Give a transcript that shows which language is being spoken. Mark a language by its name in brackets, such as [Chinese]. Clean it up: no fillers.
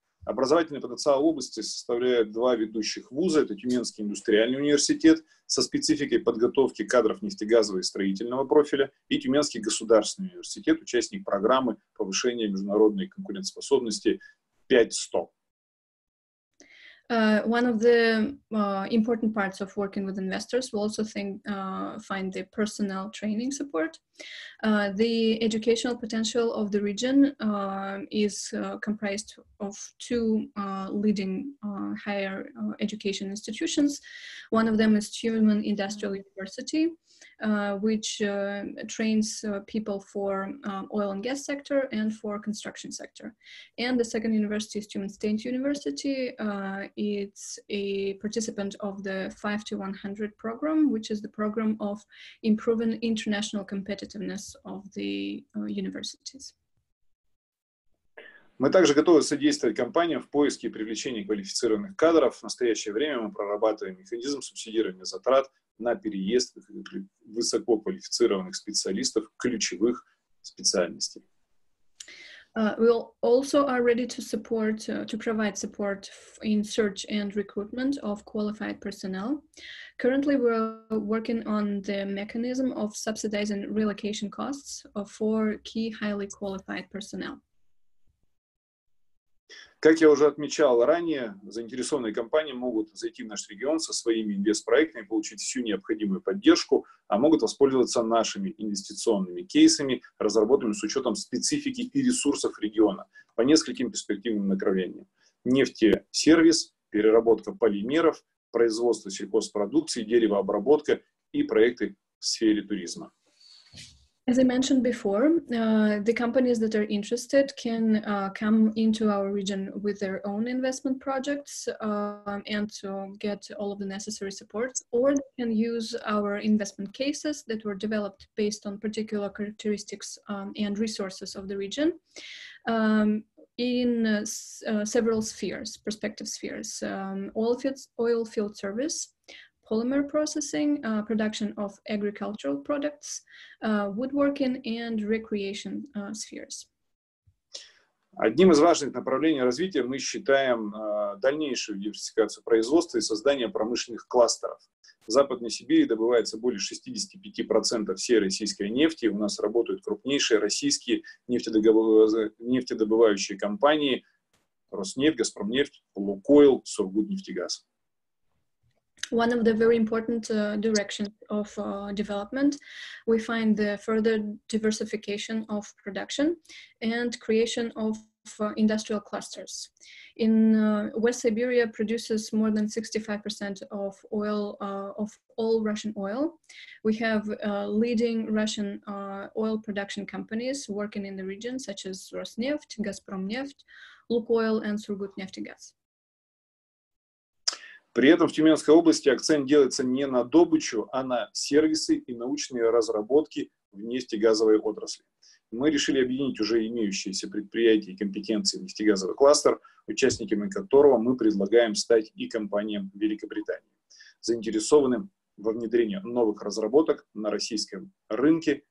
[Russian] Образовательный потенциал области составляет два ведущих вуза. Это Тюменский индустриальный университет со спецификой подготовки кадров нефтегазового и строительного профиля и Тюменский государственный университет, участник программы повышения международной конкурентоспособности 5-100. [English] One of the important parts of working with investors, we'll also find the personnel training support. The educational potential of the region is comprised of two leading higher education institutions. One of them is Tumen Industrial University, which trains people for oil and gas sector and for construction sector. And the second university is Tumen State University. It's a participant of the 5 to 100 program, which is the program of improving international competitiveness of the universities. [Russian] Мы также готовы содействовать компаниям в поиске и привлечении квалифицированных кадров. В настоящее время мы прорабатываем механизм субсидирования затрат на переезд высококвалифицированных специалистов ключевых специальностей. [English] We also are ready to support, to provide support in search and recruitment of qualified personnel. Currently, we're working on the mechanism of subsidizing relocation costs for key highly qualified personnel. [Russian] Как я уже отмечал ранее, заинтересованные компании могут зайти в наш регион со своими инвестпроектами, получить всю необходимую поддержку, а могут воспользоваться нашими инвестиционными кейсами, разработанными с учетом специфики и ресурсов региона по нескольким перспективным направлениям. Нефтесервис, переработка полимеров, производство сельхозпродукции, деревообработка и проекты в сфере туризма. [English] As I mentioned before, the companies that are interested can come into our region with their own investment projects and to get all of the necessary supports, or they can use our investment cases that were developed based on particular characteristics and resources of the region in several spheres, prospective spheres, oil field service, polymer processing, production of agricultural products, woodworking and recreation spheres. [Russian] Одним из важных направлений развития мы считаем дальнейшую диверсификацию производства и создание промышленных кластеров. В Западной Сибири добывается более 65% всей российской нефти. У нас работают крупнейшие российские нефтедобывающие компании Роснефть, Газпромнефть, Лукойл, Сургутнефтегаз. [English] One of the very important directions of development, we find the further diversification of production and creation of industrial clusters. In West Siberia produces more than 65% of oil, of all Russian oil. We have leading Russian oil production companies working in the region, such as Rosneft, Gazpromneft, Lukoil and Surgutneftegaz. [Russian] При этом в Тюменской области акцент делается не на добычу, а на сервисы и научные разработки в нефтегазовой отрасли. Мы решили объединить уже имеющиеся предприятия и компетенции в нефтегазовый кластер, участниками которого мы предлагаем стать и компаниям Великобритании, заинтересованным во внедрении новых разработок на российском рынке.